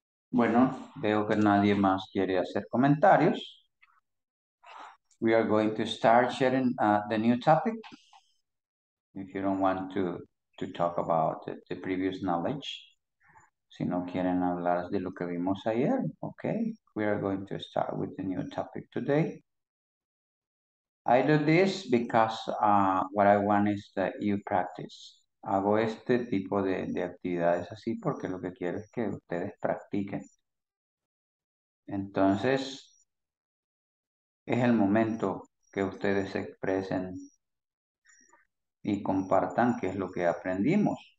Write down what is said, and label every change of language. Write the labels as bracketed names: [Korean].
[Spanish] Bueno, veo que nadie más quiere hacer comentarios. [English] We are going to start sharing the new topic. If you don't want to talk about the previous knowledge, [Spanish] si no quieren hablar de lo que vimos ayer, [English] okay, we are going to start with the new topic today. I do this because what I want is that you practice. [Spanish] Hago este tipo de actividades así porque lo que quiero es que ustedes practiquen. Entonces, es el momento que ustedes expresen y compartan qué es lo que aprendimos.